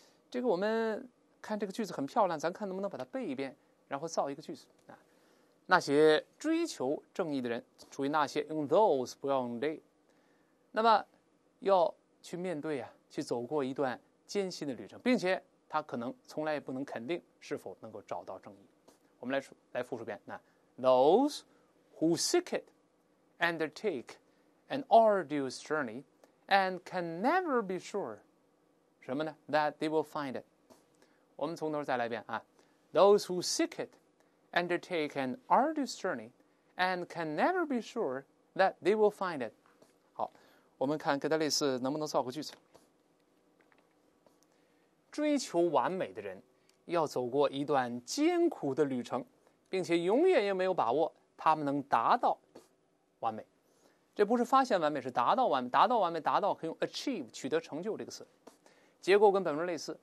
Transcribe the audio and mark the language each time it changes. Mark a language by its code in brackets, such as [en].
[zh] 这个我们看这个句子很漂亮，咱看能不能把它背一遍，然后造一个句子。那些追求正义的人，注意那些用 those 不要用 they， 那么要去面对啊，去走过一段艰辛的旅程，并且他可能从来也不能肯定是否能够找到正义。我们来复述一遍，那 [en] those who seek it undertake an arduous journey and can never be sure [zh] 什么呢 [en] that they will find it。 [zh] 我们从头再来一遍啊， [en] those who seek it undertake an arduous journey and can never be sure that they will find it。 [zh] 好，我们看跟他类似能不能造个句子。追求完美的人要走过一段艰苦的旅程，并且永远也没有把握他们能达到完美。这不是发现完美，是达到完美。达到完美，达到可以用 achieve 取得成就这个词，结构跟本文类似。